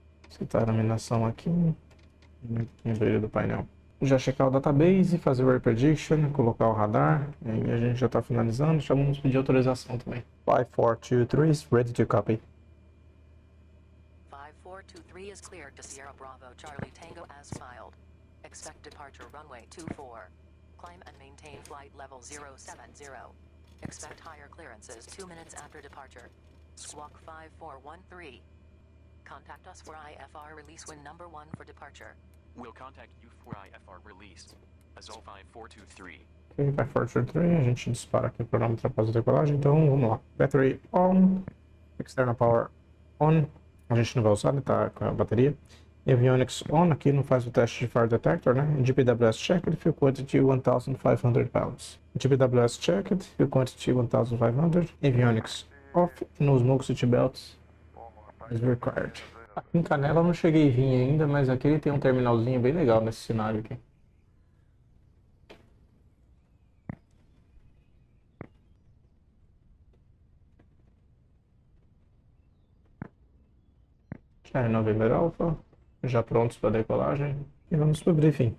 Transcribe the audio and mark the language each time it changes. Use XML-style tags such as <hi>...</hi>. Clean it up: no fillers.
<pt>Citar a iluminação aqui. No brilho do painel. Já checar o database, fazer o Ray Prediction, colocar o radar, e a gente já está finalizando. Já vamos pedir autorização também.</pt> <en>5423 is ready to copy. 5423 is cleared to Sierra Bravo Charlie Tango as filed. Expect departure runway 24. Climb and maintain flight level 070. Expect higher clearances 2 minutes after departure. Squawk 5413. Contact us for IFR release when number 1 for departure. We'll contact you for IFR release. Azul 5423.</en> <pt>Ok, 5423, a gente dispara aqui o cronômetro após a decolagem, então vamos lá.</pt> <en>Battery on, external power on,</en> <pt>a gente não vai usar, ele tá com a bateria.</pt> <en>Avionics on,</en> <pt>aqui não faz o teste de fire detector, né?</pt> <en>GPWS checked, fuel quantity 1500 pounds. GPWS checked, fuel quantity 1500. Avionics off, no smoke seatbelts is required.</en> <pt>Aqui em Canela eu não cheguei a vir ainda, mas aqui ele tem um terminalzinho bem legal nesse cenário aqui. Cherry November Alpha, já prontos para decolagem. E vamos para o briefing.</pt>